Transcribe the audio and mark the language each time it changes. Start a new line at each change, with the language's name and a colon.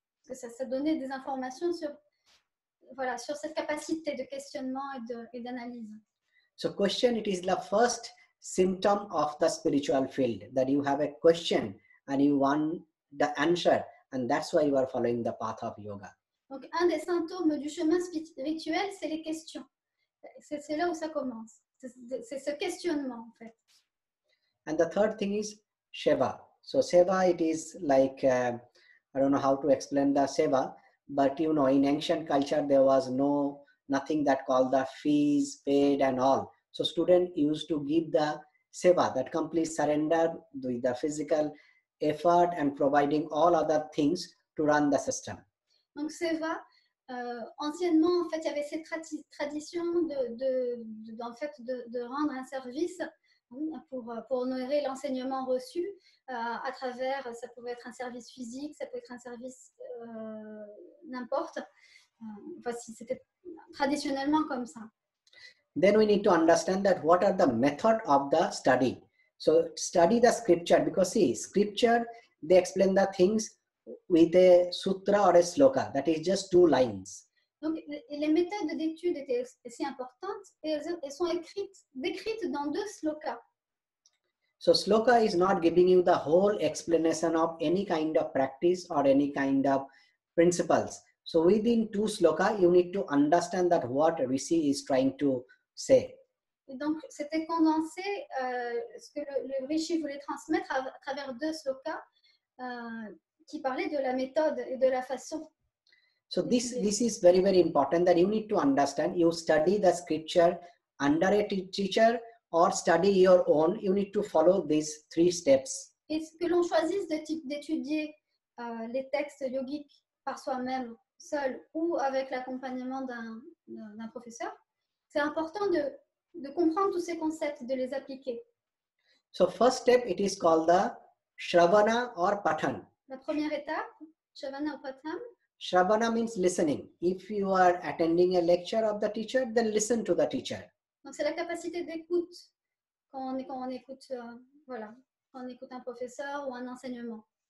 French: Parce que ça donnait des informations sur cette capacité de questionnement et d'analyse.
English: So question, it is the first symptom of the spiritual field, that you have a question and you want the answer, and that's why you are following the path of yoga.
French: Donc un des symptômes du chemin spirituel, c'est les questions. C'est là où ça commence. C'est ce questionnement, en fait.
English: And the third thing is seva. So seva, it is like, I don't know how to explain the seva, but you know, in ancient culture, there was nothing that called the fees paid and all. So student used to give the seva, that complete surrender with the physical effort and providing all other things to run the system.
French: Donc seva, anciennement, en fait, il y avait cette tradition de rendre un service pour honorer l'enseignement reçu à travers, ça pouvait être un service physique, ça pouvait être un service n'importe. Enfin, c'était traditionnellement comme ça.
English: Then we need to understand that what are the method of the study. So study the scripture, because see, scripture, they explain the things with a sutra or a sloka, that is just two lines.
French: Donc les méthodes d'étude étaient aussi importantes et elles sont décrites dans deux slokas.
English: So sloka is not giving you the whole explanation of any kind of practice or any kind of principles. So within two slokas, you need to understand that what Rishi is trying to say.
French: Et donc c'était condensé ce que le Rishi voulait transmettre à travers deux slokas qui parlaient de la méthode et de la façon.
English: So this is very, very important that you need to understand. You study the scripture under a teacher or study your own. You need to follow these three steps.
French: Est-ce que l'on choisisse d'étudier les textes yogiques par soi-même, seul ou avec l'accompagnement d'un professeur? C'est important de comprendre tous ces concepts, de les appliquer.
English: So first step, it is called the Shravana or Pathan.
French: La première étape, Shravana or Pathan.
English: Shravana means listening. If you are attending a lecture of the teacher, then listen to the teacher.
French: Donc c'est la capacité d'écoute quand on écoute, quand on écoute un professeur ou un enseignement.